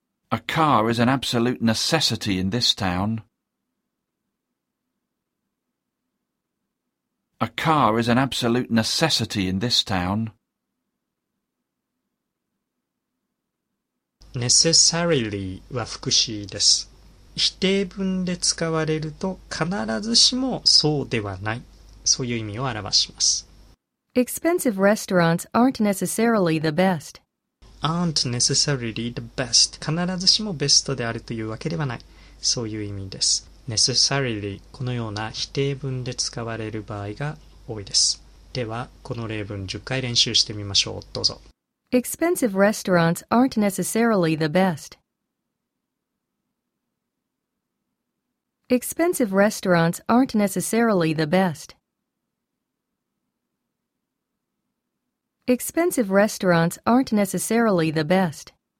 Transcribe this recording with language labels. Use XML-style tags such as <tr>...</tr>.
<en>A car is an absolute necessity in this town. A car is an absolute necessity in this town.</en> <ja>Necessarily は副詞です。否定文で使われると必ずしもそうではない。そういう意味を表します。</ja> <en>Expensive restaurants aren't necessarily the best. Aren't necessarily the best.</en> <ja>必ずしもベストであるというわけではない。そういう意味です。 Necessarily このような否定文で使われる場合が多いです。では、この例文10回練習してみましょう。どうぞ。</ja> <en>Expensive restaurants aren't necessarily the best. Expensive restaurants aren't necessarily the best. Expensive restaurants aren't necessarily the best.</en>